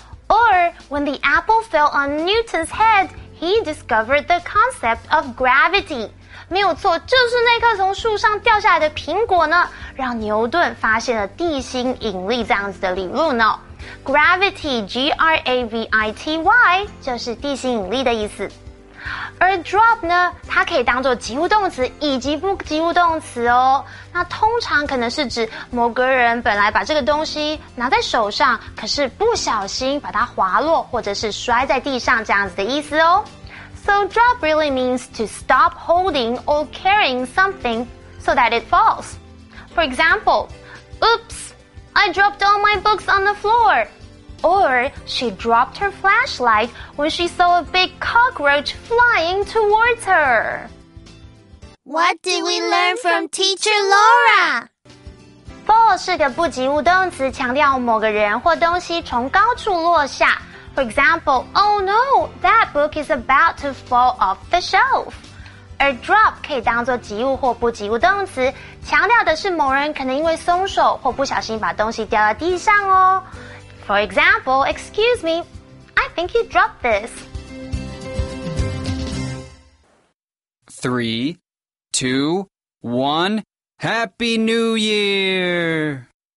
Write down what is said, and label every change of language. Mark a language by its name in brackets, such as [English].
[English] Or, when the apple fell on Newton's head, he discovered the concept of gravity. [Chinese] 没有错，就是那颗从树上掉下来的苹果呢，让牛顿发现了地心引力这样子的理论哦。 Gravity, G-R-A-V-I-T-Y, 就是地心引力的意思。而 drop 呢，它可以当作及物动词以及不及物动词哦。那通常可能是指某个人本来把这个东西拿在手上，可是不小心把它滑落或者是摔在地上这样子的意思哦。 [English] So drop really means to stop holding or carrying something so that it falls. For example, Oops, I dropped all my books on the floor. Or, she dropped her flashlight when she saw a big cockroach flying towards her. What did we learn from Teacher Laura? [Chinese] Fall 是个不及物动词，强调某个人或东西从高处落下。 [English] For example, oh no, that book is about to fall off the shelf. [Chinese] 而 drop 可以当作及物或不及物动词，强调的是某人可能因为松手或不小心把东西掉到地上哦。 [English] For example, excuse me, I think you dropped this. 3, 2, 1, Happy New Year!